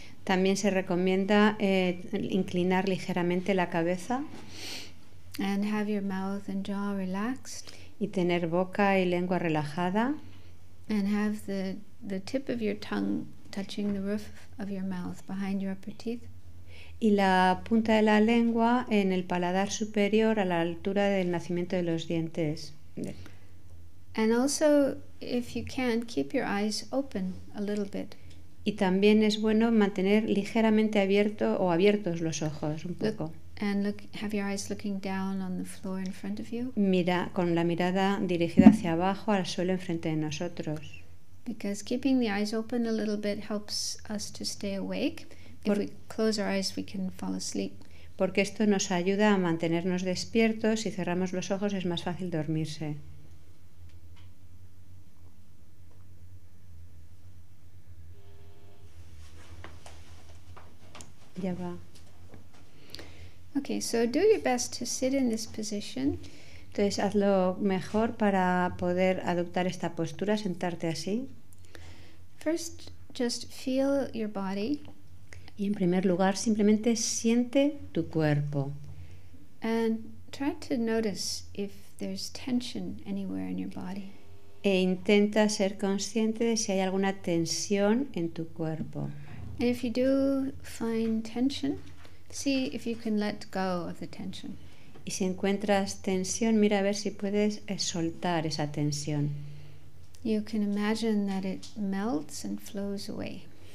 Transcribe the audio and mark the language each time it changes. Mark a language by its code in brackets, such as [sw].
[es] También se recomienda inclinar ligeramente la cabeza. [en] And have your mouth and jaw relaxed. [es] Y tener boca y lengua relajada. [en] And have the tip of your tongue touching the roof of your mouth behind your upper teeth. [es] Y la punta de la lengua en el paladar superior a la altura del nacimiento de los dientes. [en] And also, if you can, keep your eyes open a little bit. [es] Y también es bueno mantener ligeramente abierto o abiertos los ojos un poco. [en] Have your eyes looking down on the floor in front of you. [es] Mira con la mirada dirigida hacia abajo al suelo enfrente de nosotros. [en] Because keeping the eyes open a little bit helps us to stay awake. If we close our eyes, we can fall asleep. [es] Porque esto nos ayuda a mantenernos despiertos. Si cerramos los ojos, es más fácil dormirse. Ya va. [en] Okay, so do your best to sit in this position. [es] Entonces, haz lo mejor para poder adoptar esta postura, sentarte así. [en] First, just feel your body. [es] Y en primer lugar, simplemente siente tu cuerpo. [en] And try to notice if there's tension anywhere in your body. [es] E intenta ser consciente de si hay alguna tensión en tu cuerpo. [en] And if you do find tension, see if you can let go of the tension. [es] Y si encuentras tensión, mira a ver si puedes soltar esa tensión. [en] You can imagine that it melts and flows away.